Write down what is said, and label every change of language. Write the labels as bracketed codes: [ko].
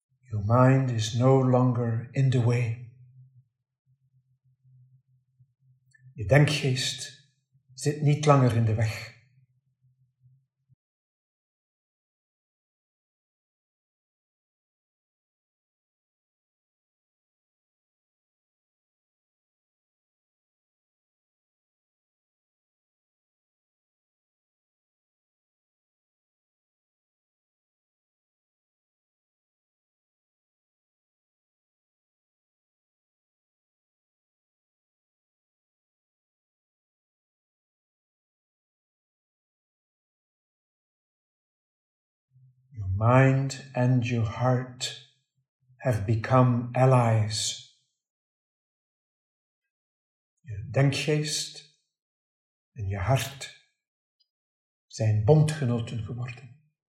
[en] Your mind is no longer in the way. [nl] Je denkgeest zit niet langer in de weg. [en] Your mind and your heart have become allies. [nl] Je denkgeest en je hart zijn bondgenoten geworden.